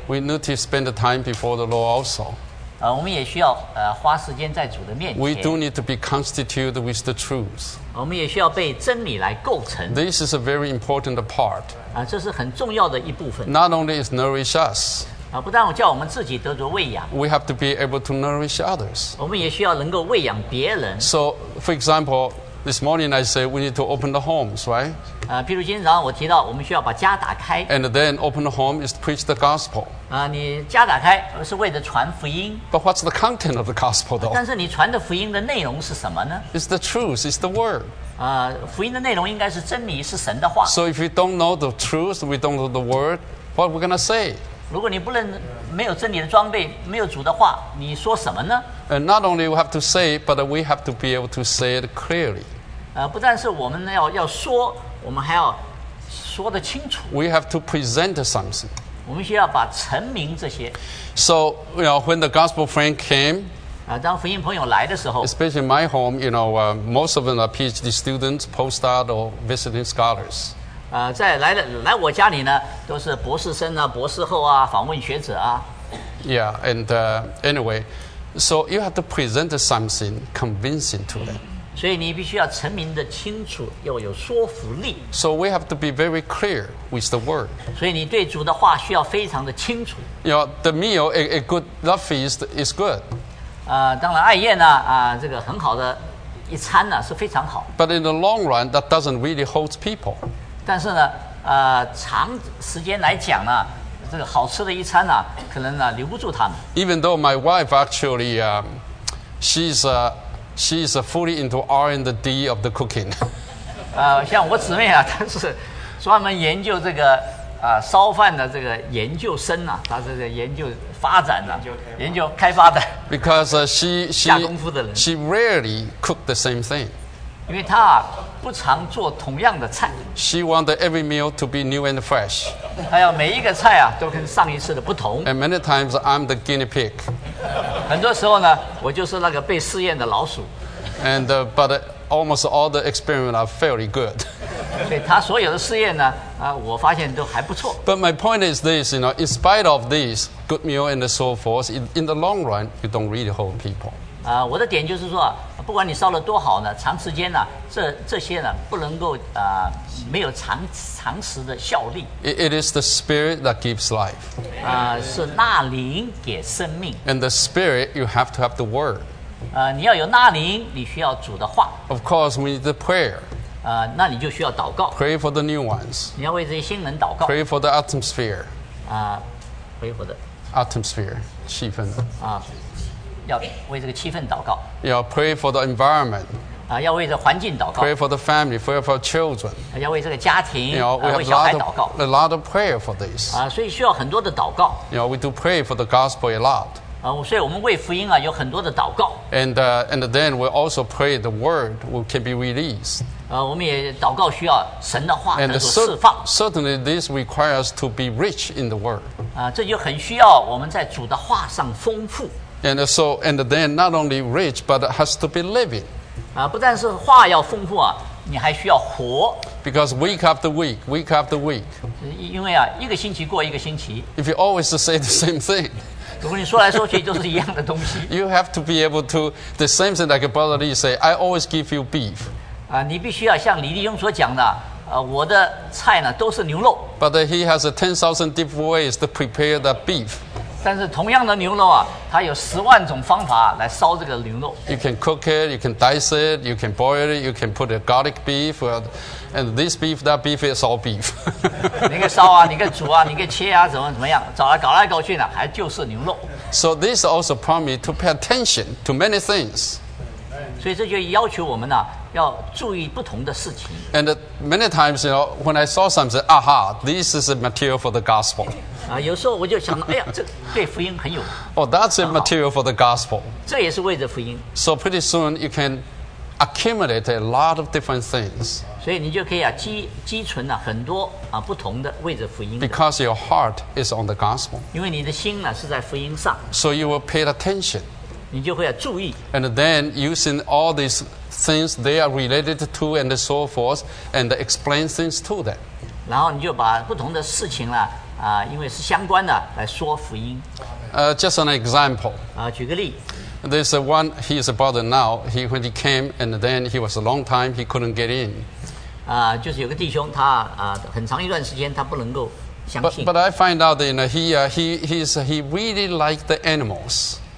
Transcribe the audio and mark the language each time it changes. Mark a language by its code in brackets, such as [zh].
[en] We need to spend the time before the Lord also. [zh] 我们也需要花时间在主的面前。 [en] We do need to be constituted with the truth. [zh] 我们也需要被真理来构成。 [en] This is a very important part. [zh] 这是很重要的一部分。 [en] Not only is nourish us. [zh] 不但叫我们自己得着喂养。 [en] We have to be able to nourish others. [zh] 我们也需要能够喂养别人。 [en] So, for example, this morning I say we need to open the homes, right? [zh] 譬如今天早上我提到我们需要把家打开。 [en] And then open the home is to preach the gospel. [zh] 你家打开是为了传福音。 [en] But what's the content of the gospel, though? [zh] 但是你传的福音的内容是什么呢？ [en] It's the truth, it's the word. [zh] 福音的内容应该是真理，是神的话。 [en] So if we don't know the truth, we don't know the word, what are we going to say? [zh] 如果你不能没有真理的装备，没有主的话，你说什么呢？ [en] And not only we have to say, but we have to be able to say it clearly. [zh] 不但是我们要说，我们还要说得清楚。 [en] We have to present something. [zh] 我们需要把陈明这些。 [en] So, you know, when the gospel friend came, [zh] 当福音朋友来的时候， [en] especially in my home, you know, most of them are PhD students, postdoc, or visiting scholars. [zh] 在来我家里呢，都是博士生啊、博士后啊、访问学者啊。 [en] Yeah, and anyway, so you have to present something convincing to them. [zh] 所以你必须要陈明的清楚，要有说服力。 [en] So we have to be very clear with the word. [zh] 所以你对主的话需要非常的清楚。 [en] You know, the meal, a good love feast is good. [zh] 当然爱宴呢，这个很好的一餐呢是非常好。 [en] But in the long run, that doesn't really hold people. [zh] 但是呢，长时间来讲呢，这个好吃的一餐呢，可能呢留不住他们。 [en] Even though my wife actually, she's a She's fully into R&D of the cooking. [zh] 像我姊妹啊，她是专门研究这个烧饭的这个研究生啊，她是研究发展的、研究开发的。 [en] Because she [zh] 下功夫的人 [en] ，she rarely cook the same thing. [zh] 因为她不常做同样的菜。 [en] She wants every meal to be new and fresh. [zh] 她要每一个菜啊都跟上一次的不同。 [en] And many times I'm the guinea pig. [zh] 很多时候呢，我就是那个被试验的老鼠。 [en] And but almost all the experiments are fairly good. [zh] 对他所有的试验呢，我发现都还不错。 [en] But my point is this, you know, in spite of this good meal and so forth, in the long run, you don't really hold people. [zh] 我的点就是说，不管你烧了多好呢，长时间呢，这些呢，不能够没有长时的效力。 [en] It is the spirit that gives life. [zh] 是那灵给生命。 [en] And the spirit, you have to have the word. [zh] 你要有那灵，你需要主的话。 [en] Of course, we need the prayer. [zh] 那你就需要祷告。 [en] Pray for the new ones. [zh] 你要为这些新人祷告。 [en] Pray for the atmosphere. pray for the atmosphere [zh] 气氛。要为这个气氛祷告。要 [en] pray for the environment. [zh] 要为这个环境祷告。 [en] Pray for the family, pray for children. [zh] 要为这个家庭。 [en] You know, we have a lot of prayer for this. [zh] 所以需要很多的祷告。 [en] You know, we do pray for the gospel a lot. [zh] 所以我们为福音有很多的祷告。 [en] And then we also pray the word can be released. [zh] 我们也祷告需要神的话能够释放。 [en] Certainly this requires to be rich in the word. [zh] 这就很需要我们在主的话上丰富。 [en] And so, and then not only rich, but it has to be living. [zh] 不但是话要丰富你还需要活。 [en] Because week after week. [zh] 因为一个星期过一个星期。 [en] If you always say the same thing. [zh] 如果你说来说去都是一样的东西。 [en] You have to be able to, the same thing like Brother Lee say, I always give you beef. [zh] 你必须要像李弟兄所讲的我的菜呢都是牛肉。 [en] But he has 10,000 different ways to prepare the beef. [zh] 但是同样的牛肉啊，他有10,000种方法来烧这个牛肉。 [en] You can cook it, you can dice it, you can boil it, you can put a garlic beef, and this beef, that beef is all beef. [zh] 你可以烧啊，你可以煮啊，你可以切啊，怎么怎么样，找来搞来搞去呢，还就是牛肉。 [en] So this also prompts me to pay attention to many things. [zh] 所以这就要求我们呢、啊。要注意不同的事情。 [en] And many times, you know, when I saw something, aha, this is a material for the gospel. [zh] 啊，有时候我就想，哎呀，这对福音很有。 [en] Oh, that's a material for the gospel. [zh] 这也是为着福音。 [en] So pretty soon, you can accumulate a lot of different things. [zh] 所以你就可以啊，积存了很多啊不同的为着福音。 [en] Because your heart is on the gospel. [zh] 因为你的心呢是在福音上。 [en] So you will pay attention. [zh] 你就会要注意。 [en] And then using all these. Things they are related to and so forth, and explain things to them. [zh] 然后你就把不同的事情呢，因为是相关的，来说福音。 [en] Just an example. [zh] 举个例。 [en] There's one. He is a brother now. He when he came and then he was a long time. He couldn't get in. [zh] 就是有个弟兄，他很长一段时间他不能够相信。 [en] But I find out that you know, he really liked the animals.